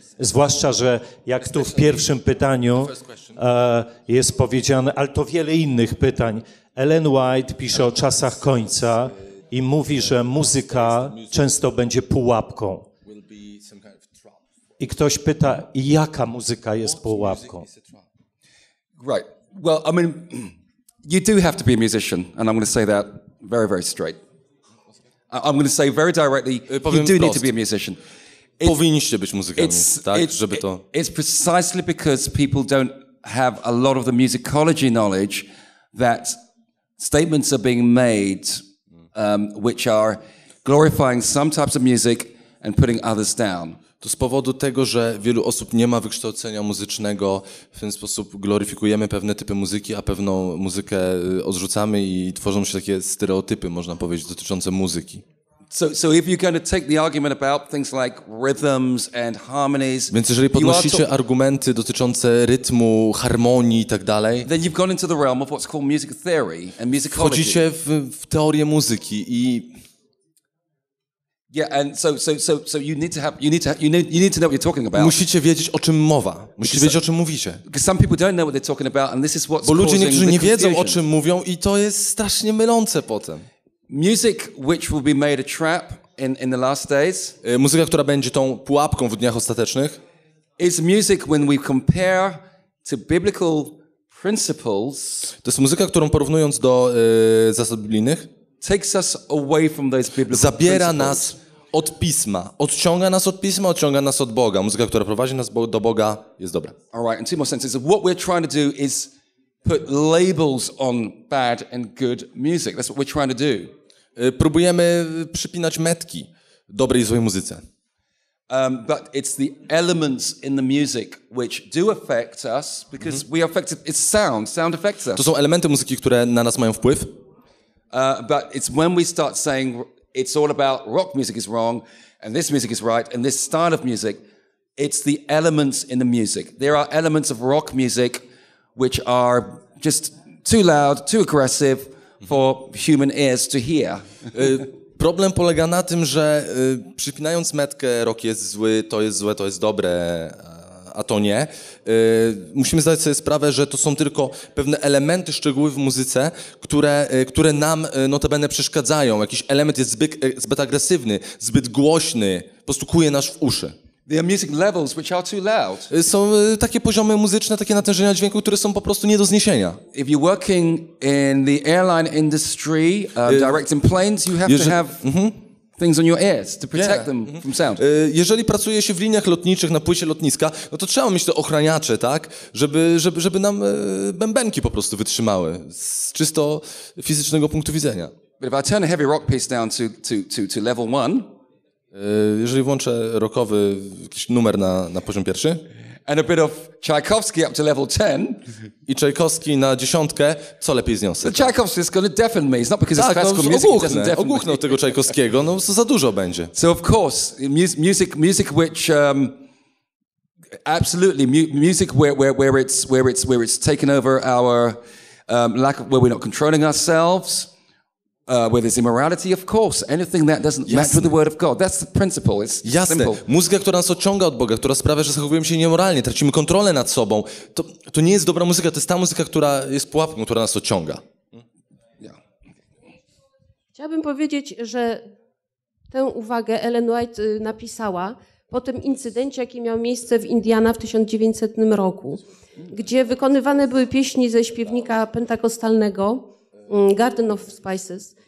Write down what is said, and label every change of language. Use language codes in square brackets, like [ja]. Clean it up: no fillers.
[pl] Zwłaszcza, że jak tu w pierwszym pytaniu jest powiedziane, ale to wiele innych pytań, Ellen White pisze o czasach końca i mówi, że muzyka często będzie pułapką. I ktoś pyta, jaka muzyka jest pułapką? [en] Right. Well, I mean, you do have to be a musician, and I'm going to say that very, very straight. I'm going to say very directly, [pl] powiem [en] you do [pl] prost. [en] Need to be a musician. [pl] Powinniście być muzykami, żeby to... [en] It's precisely because people don't have a lot of the musicology knowledge that statements are being made, which are glorifying some types of music and putting others down. [pl] To z powodu tego, że wielu osób nie ma wykształcenia muzycznego, w ten sposób gloryfikujemy pewne typy muzyki, a pewną muzykę odrzucamy i tworzą się takie stereotypy, można powiedzieć, dotyczące muzyki. [en] So if you're going to take the argument about things like rhythms and harmonies, [pl] więc jeżeli podnosicie argumenty dotyczące rytmu, harmonii i tak dalej, [en] then you've gone into the realm of what's called music theory and musicology. [pl] Wchodzicie w teorię muzyki i... [en] Yeah, and so you need to have you need to know what you're talking about. [pl] Musicie wiedzieć, o czym mowa. Musicie wiedzieć, o czym mówicie. [en] Because some people don't know what they're talking about, and this is what's [pl] bo ludzie niektórzy nie wiedzą, o czym mówią, i to jest strasznie mylące potem. [en] Music which will be made a trap in the last days. [pl] Muzyka, która będzie tą pułapką w dniach ostatecznych. [en] Is music when we compare to biblical principles. [pl] To jest muzyka, którą porównując do zasad biblijnych. [en] Takes us away from those biblical [pl] zabiera nas od Pisma. Odciąga nas od Pisma, odciąga nas od Boga. Muzyka, która prowadzi nas do Boga, jest dobra. [en] All right, in two more sentences. What we're trying to do is put labels on bad and good music. That's what we're trying to do. [pl] Próbujemy przypinać metki dobrej i złej muzyce. [en] But it's the elements in the music which do affect us because we are affected. It's sound. Sound affects us. [pl] To są elementy muzyki, które na nas mają wpływ. [en] But it's when we start saying it's all about rock music is wrong and this music is right and this style of music, it's the elements in the music. There are elements of rock music which are just too loud, too aggressive for human ears to hear. [pl] Problem polega na tym, że przypinając metkę rok jest zły, to jest złe, to jest dobre, a to nie. Musimy zdać sobie sprawę, że to są tylko pewne elementy, szczegóły w muzyce, które nam notabene przeszkadzają. Jakiś element jest zbyt agresywny, zbyt głośny, po prostu kłuje nas w uszy. [en] There are music levels which are too loud. [pl] Są takie poziomy muzyczne, takie natężenia dźwięku, które są po prostu nie do zniesienia. [en] If you're working in the airline industry, directing planes, you have to have things on your ears to protect them from sound. [pl] Jeżeli pracuje się w liniach lotniczych, na płycie lotniska, no to trzeba mieć te ochraniacze, tak? Żeby nam bębenki po prostu wytrzymały z czysto fizycznego punktu widzenia. [en] But if I turn a heavy rock piece down to level one, [pl] jeżeli włączę rockowy jakiś numer na poziom pierwszy. [en] And a bit of Tchaikovsky up to level 10. [pl] I Tchaikovsky na dziesiątkę, co lepiej zniosę? [en] The Tchaikovsky is going to deafen me. It's not because it's classical music. [pl] Tak, ogłuchnę tego Tchaikovskiego, no to za dużo będzie. [en] So of course, music which absolutely music where it's taken over our lack of, where we're not controlling ourselves. Where there's immorality, of course. Anything that doesn't match with the word of God. That's the principle. It's [pl] jasne. [en] Simple. [pl] Muzyka, która nas odciąga od Boga, która sprawia, że zachowujemy się niemoralnie, tracimy kontrolę nad sobą, to nie jest dobra muzyka, to jest ta muzyka, która jest pułapką, która nas odciąga. Chciałabym powiedzieć, że tę uwagę Ellen White napisała po tym incydencie, jaki miał miejsce w Indiana w 1900 roku, gdzie wykonywane były pieśni ze śpiewnika pentakostalnego Garden of Spices.